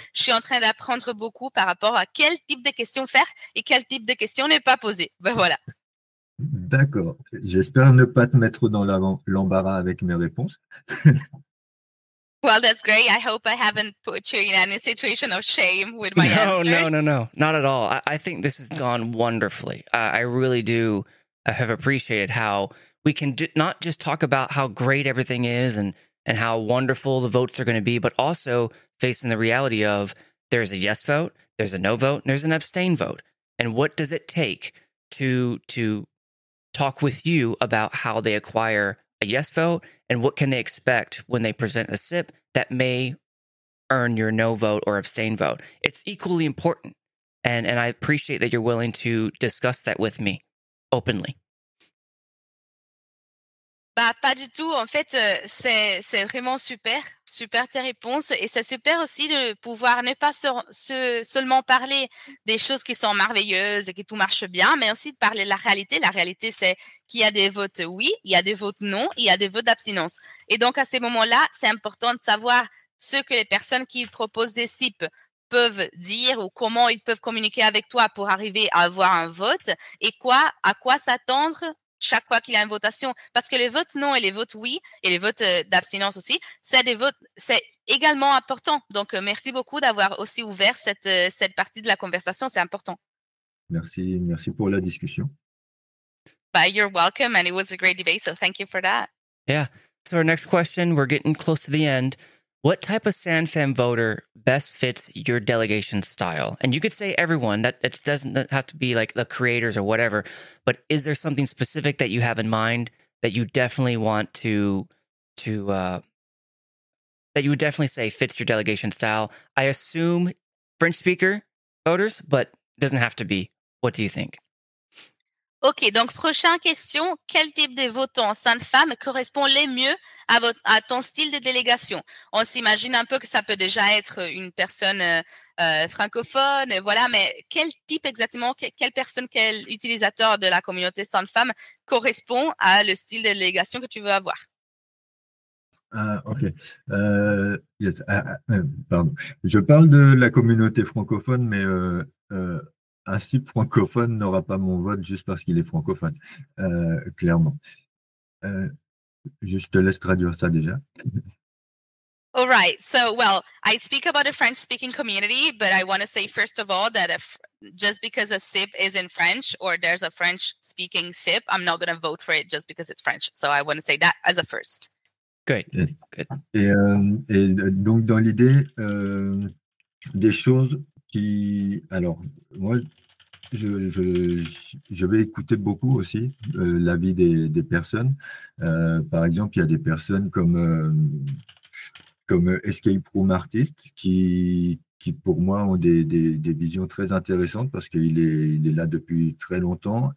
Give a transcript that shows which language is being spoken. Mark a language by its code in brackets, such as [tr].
[fr] Je suis en train d'apprendre beaucoup par rapport à quel type de questions faire et quel type de questions ne pas poser. Ben voilà. D'accord. J'espère ne pas te mettre dans l'embarras avec mes réponses. [en] Well, that's great. I hope I haven't put you in any situation of shame with my answers. No. Not at all. I think this has gone wonderfully. I really do have appreciated how we can not just talk about how great everything is and how wonderful the votes are going to be, but also facing the reality of there's a yes vote, there's a no vote, and there's an abstain vote. And what does it take to talk with you about how they acquire a yes vote and what can they expect when they present a SIP that may earn your no vote or abstain vote? It's equally important. And I appreciate that you're willing to discuss that with me openly. [fr] Bah, pas du tout. En fait, c'est vraiment super, super tes réponses. Et c'est super aussi de pouvoir ne pas seulement parler des choses qui sont merveilleuses et que tout marche bien, mais aussi de parler de la réalité. La réalité, c'est qu'il y a des votes oui, il y a des votes non, il y a des votes d'abstinence. Et donc, à ces moments-là, c'est important de savoir ce que les personnes qui proposent des SIP peuvent dire ou comment ils peuvent communiquer avec toi pour arriver à avoir un vote et à quoi s'attendre chaque fois qu'il y a une votation, parce que les votes non et les votes oui, et les votes d'abstinence aussi, c'est des votes, c'est également important. Donc, merci beaucoup d'avoir aussi ouvert cette partie de la conversation, c'est important. Merci, merci pour la discussion. [en] But you're welcome, and it was a great debate, so thank you for that. Yeah, so our next question, we're getting close to the end. What type of SANFAM voter best fits your delegation style? And you could say everyone, that it doesn't have to be like the creators or whatever, but is there something specific that you have in mind that you definitely want that you would definitely say fits your delegation style? I assume French speaker voters, but doesn't have to be. What do you think? [fr] OK, donc prochaine question, quel type de votant SANFAM correspond le mieux à ton style de délégation? On s'imagine un peu que ça peut déjà être une personne francophone, voilà, mais quel type exactement, quelle personne, quel utilisateur de la communauté SANFAM correspond à le style de délégation que tu veux avoir? Pardon. Je parle de la communauté francophone, mais un SIP francophone n'aura pas mon vote juste parce qu'il est francophone, clairement. Je te laisse traduire ça déjà. [en] All right. So, well, I speak about a French-speaking community, but I want to say, first of all, that just because a SIP is in French or there's a French-speaking SIP, I'm not going to vote for it just because it's French. So I want to say that as a first. Good. Yes. Good. [fr] Et donc, dans l'idée des choses... Alors, moi, Je vais écouter beaucoup aussi l'avis des personnes. Par exemple, il y a des personnes comme Escape Room Artist qui pour moi ont des visions très intéressantes parce qu'il est là depuis très longtemps.